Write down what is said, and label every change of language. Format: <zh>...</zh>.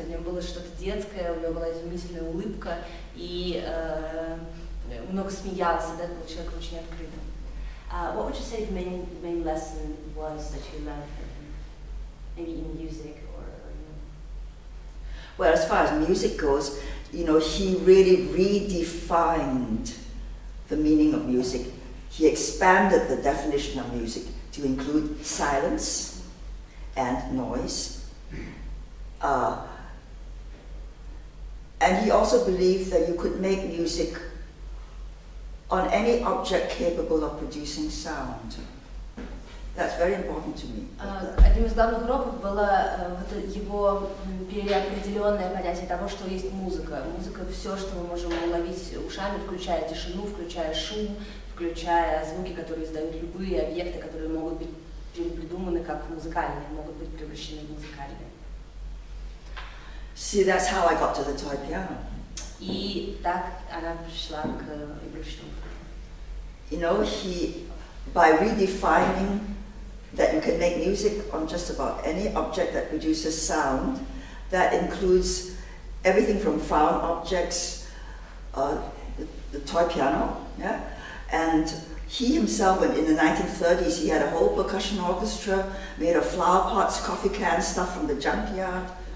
<ru>У него было что-то детское, у него была изумительная улыбка и много смеялся, да, был человеком очень открытым.</ru> <en>What would you say the main lesson was that you learned from him? Maybe in music? Well, as far as music goes, you know, he really redefined the meaning of music. He expanded the definition of music to include silence and noise. And he also believed that you could make music on any object capable of producing sound. That's very important to me.</en> <ru>Одним из главных уроков было вот его переопределенное понятие того, что есть музыка. Музыка — все, что мы можем уловить ушами, включая тишину, включая шум, включая звуки, которые издают любые объекты, которые могут быть придуманы как музыкальные, могут быть превращены в музыкальные.</ru> <en>See, that's how I got to the toy piano.</en> <ru>И так она пришла к игрушечному.</ru> <en>You know, he by redefining that you can make music on just about any object that produces sound, that includes everything from found objects, the toy piano, yeah? And he himself, in the 1930s, he had a whole percussion orchestra made of flower pots, coffee cans, stuff from the junkyard.</en>